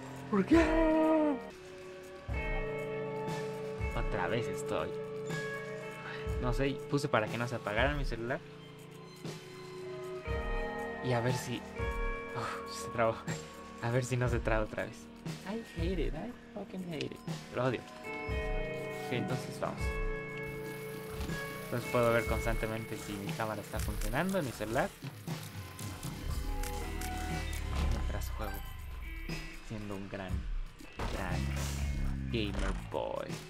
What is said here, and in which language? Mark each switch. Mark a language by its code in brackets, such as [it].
[es] ¿Por qué? Otra vez estoy. No sé, puse para que no se apagara mi celular. Y a ver si... uf, se trabó. A ver si no se traba otra vez. [en] I hate it, I fucking hate it. [es] Lo odio. Ok, entonces vamos. Entonces puedo ver constantemente si mi cámara está funcionando en mi celular. Mientras juego. Siendo un gran, gran gamer boy.